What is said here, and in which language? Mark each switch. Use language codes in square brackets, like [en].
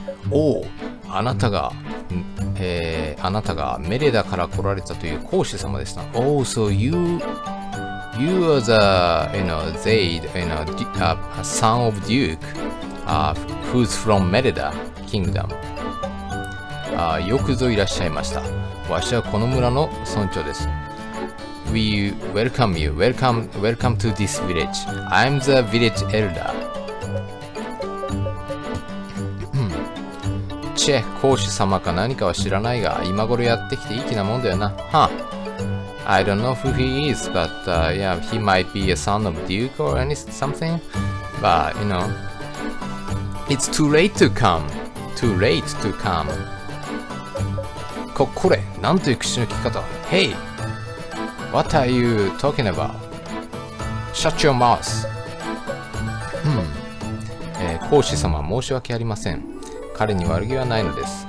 [ja] おお、あなたが、あなたがメレダから来られたという公主様でした。おお、そう、 [en] you are the, you know, they, you know, son of Duke, who's from Mereda Kingdom. [ja] よくぞいらっしゃいました。わしはこの村の村長です。 [en] We welcome you, welcome to this village. I'm the village elder. [ja] チェ、公主様か何かは知らないが、今頃やってきていい気なもんだよな。はあ。 [en] I don't know who he is, but yeah, he might be a son of Duke or something. But, you know, it's too late to come. Too late to come. [ja] これ、なんという口の利き方。 [en] Hey! What are you talking about? Shut your mouth. [ja] 公主様、申し訳ありません。彼に悪気はないのです。